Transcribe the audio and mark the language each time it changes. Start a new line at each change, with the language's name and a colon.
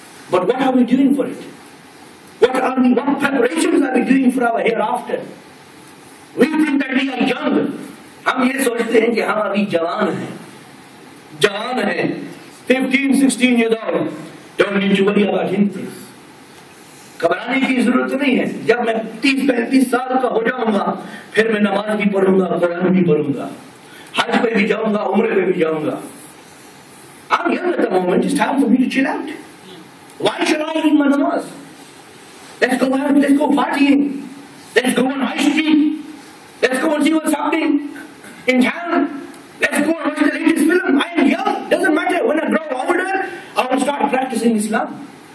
English: But what are we doing for it? What preparations are we doing for our hereafter? We think that we are young.
Hindi: Hum ye sochte hain ki hum abhi jawan hain. Jawan hain.
English: 15, 16 years old. Don't need to worry about anything.
Hindi: घबराने की जरूरत नहीं है. जब मैं 30-35 साल का हो जाऊंगा फिर मैं नमाज भी पढ़ूंगा कुरान भी पढ़ूंगा हज पे भी जाऊंगा उम्र पे भी जाऊंगा.
English: I'm young at the moment, it's time for me to chill out. Why should I eat my namaz? Let's go out, let's go partying. Let's go on high street. Let's go and see what's happening in town. Let's go and watch the latest film. I am young, doesn't matter. When I grow older, I will start practicing Islam.